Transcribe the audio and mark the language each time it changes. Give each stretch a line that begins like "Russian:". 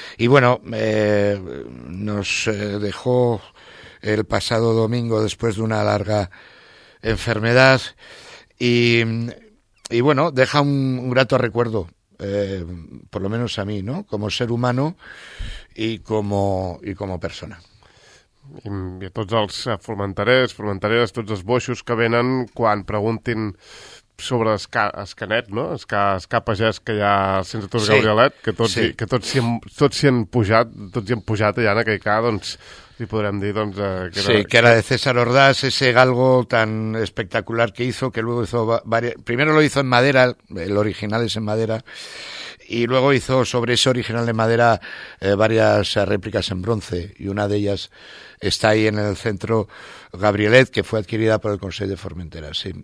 Spanish: Y bueno, nos dejó el pasado domingo después de una larga enfermedad y bueno, deja un grato recuerdo, por lo menos a mí, ¿no? Como ser humano y como persona.
Catalan: I a tots els formenterers, formentereres, tots els boixos que venen quan preguntin sobre Escanet, no? Escà Pagès, que hi ha el Centre Tur Gabrielet, que tots s'hi han pujat, tots hi han pujat allà en aquell cas, doncs, si podrem dir, doncs...
Spanish: Que era de César Ordaz, ese galgo tan espectacular que hizo, que luego hizo... Primero lo hizo en madera, el original es en madera, y luego hizo sobre ese original de madera varias réplicas en bronce, y una de ellas está ahí en el Centro Gabrielet, que fue adquirida por el Consell de Formentera, sí.